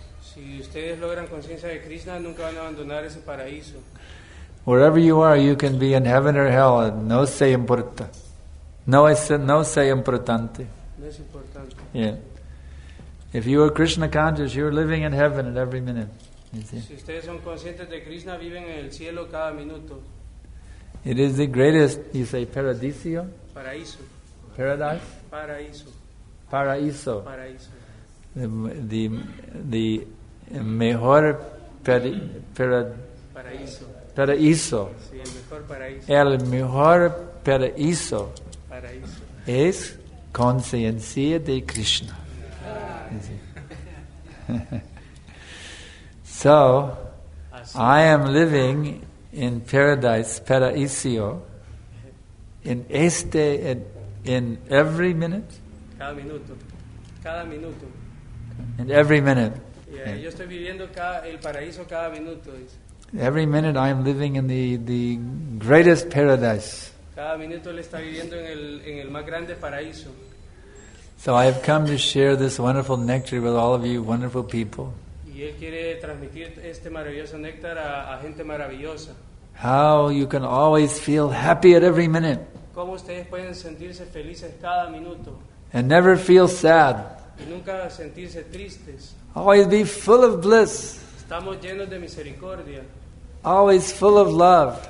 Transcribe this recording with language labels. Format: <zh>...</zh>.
<es>Si ustedes logran conciencia de Krishna, nunca van a abandonar ese paraíso.</es> <en>Wherever you are, you can be in heaven or hell,</en> <es>no se importa. No es importante. Yeah.</es> <en>If you are Krishna conscious, you are living in heaven at every minute. You see?</en> <es>Si ustedes son conscientes de Krishna, viven en el cielo cada minuto.</es> <en>It is the greatest, you say, paradiso?</en> <es>Paraíso.</es> <en>Paradise?</en> <es>Paraíso. Paraíso. Paraíso. The mejor paraíso. Paraíso. Sí, el mejor paraíso. El mejor paraíso. Paraíso. Es conciencia de Krishna.</es> <en>So, I am living in paradise, paraíso, in every minute.</en> <es>Cada minuto. Cada minuto.</es> <en>In every minute.</en> <es>Yo estoy viviendo el paraíso cada minuto.</es> <en>Every minute I am living in the greatest paradise.</en> <es>Cada minuto él está viviendo en el más grande paraíso.</es> <en>So I have come to share this wonderful nectar with all of you wonderful people.</en> <es>Y él quiere transmitir este maravilloso néctar a gente maravillosa.</es> <en>How you can always feel happy at every minute.</en> <es>¿Cómo ustedes pueden sentirse felices cada minuto?</es> <en>And never feel sad.</en> <es>Y nunca sentirse tristes.</es> <en>Always be full of bliss.</en> <es>Estamos llenos de misericordia.</es> <en>Always full of love.</en>